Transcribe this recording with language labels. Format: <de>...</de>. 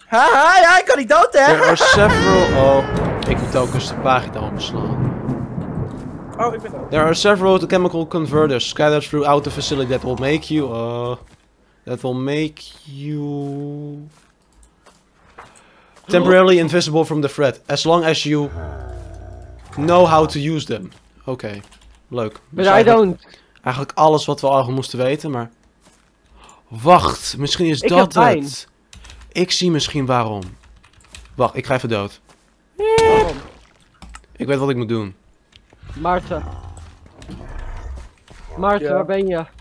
<nl>Haha, ja, ik kan niet dood, hè!</nl> <en>There are several...</en> <nl>Oh, ik moet ook eens de pagina omslaan. Oh, ik ben dood.</nl> <en>There are several chemical converters scattered throughout the facility that will make you... that will make you... temporarily invisible from the threat, as long as you... know how to use them.</en> <nl>Oké, okay. Leuk.</nl> <en>But I don't.</en> <nl>Eigenlijk alles wat we al moesten weten, maar... Wacht, misschien is ik dat heb pijn. Het. Ik zie misschien waarom. Wacht, ik ga even dood. Waarom? Ik weet wat ik moet doen. Maarten, ja. Waar ben je?</nl>